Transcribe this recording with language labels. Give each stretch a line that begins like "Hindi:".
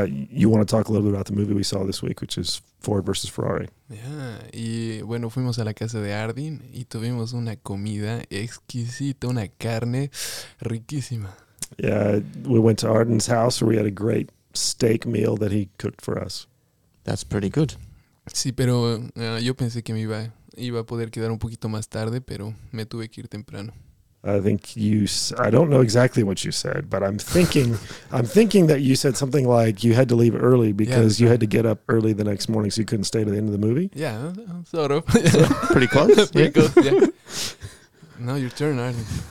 English: You want to talk a little bit about the movie we saw this week, which is Ford versus Ferrari.
Spanish: Yeah, y bueno, fuimos a la casa de Ardin y tuvimos una comida exquisita, una carne riquísima.
English: Yeah, we went to Ardin's house where we had a great steak meal that he cooked for us. That's pretty good.
Spanish: Sí, pero yo pensé que me iba a poder quedar un poquito más tarde, pero me tuve que ir temprano.
English: I think I don't know exactly what you said, but I'm thinking that you said something like you had to leave early because you had to get up early the next morning so you couldn't stay to the end of the movie. Yeah, sort of. Pretty close. Pretty close, yeah. Now your turn, Ardin.